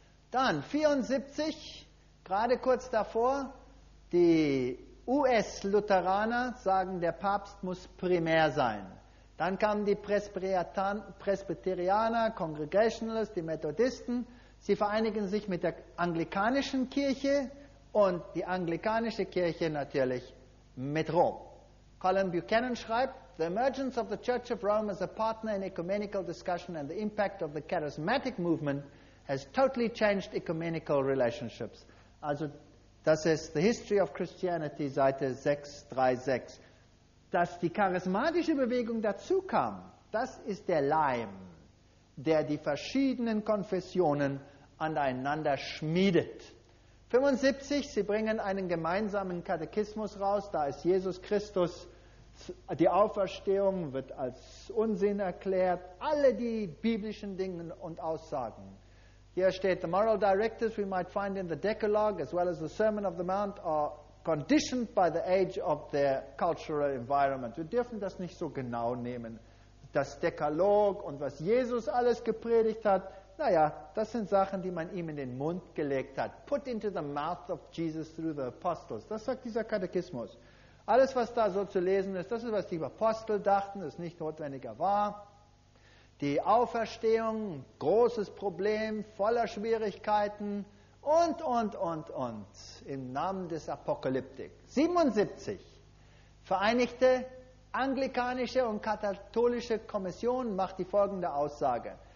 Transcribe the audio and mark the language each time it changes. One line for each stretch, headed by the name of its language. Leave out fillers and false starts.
German: Dann 74, gerade kurz davor, die US-Lutheraner sagen, der Papst muss primär sein. Dann kamen die Presbyterianer, Congregationalists, die Methodisten. Sie vereinigen sich mit der anglikanischen Kirche und die anglikanische Kirche natürlich mit Rom.
English: Colin Buchanan
German: schreibt,
English: The emergence of the Church of Rome as a partner in ecumenical discussion and the impact of the charismatic movement has totally changed ecumenical relationships.
German: Also das ist The History of Christianity, Seite 636. Dass die charismatische Bewegung dazu kam, das ist der Leim, der die verschiedenen Konfessionen aneinander schmiedet. 75, sie bringen einen gemeinsamen Katechismus raus, da ist Jesus Christus, die Auferstehung wird als Unsinn erklärt, alle die biblischen Dinge und Aussagen. Hier steht,
English: the moral directives we might find in the Decalogue as well as the Sermon of the Mount are conditioned by the age of their cultural environment.
German: Wir dürfen das nicht so genau nehmen. Das Dekalog und was Jesus alles gepredigt hat, naja, das sind Sachen, die man ihm in den Mund gelegt hat.
English: Put into the mouth of Jesus through the apostles.
German: Das sagt dieser Katechismus. Alles, was da so zu lesen ist, das ist, was die Apostel dachten, das nicht notwendiger war. Die Auferstehung, großes Problem, voller Schwierigkeiten und. Im Namen des Apokalyptik. 77. Vereinigte Anglikanische und Katholische Kommission macht die folgende Aussage.